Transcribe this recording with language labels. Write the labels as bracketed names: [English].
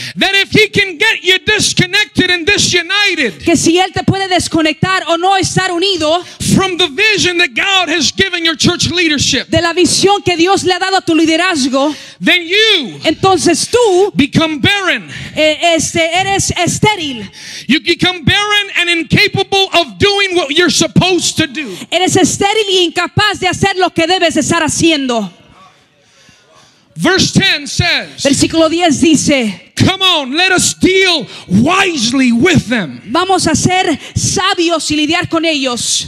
[English] That if he can get you disconnected and disunited. [Spanish] Que si él te puede desconectar o no estar unido. [English] From the vision that God has given your church leadership. [Spanish] De la visión que Dios le ha dado a tu liderazgo. [English] Then you. [Spanish] Entonces tú. [English] Become barren. [Spanish] Eres estéril. [English] You become barren and incapable of doing what you're supposed to do. [Spanish] Eres estéril y incapaz de hacer lo que debes estar haciendo. [English] Verse 10 says. [Spanish] Versículo 10 dice. [English] Come on, let us deal wisely with them. [Spanish] Vamos a ser sabios y lidiar con ellos.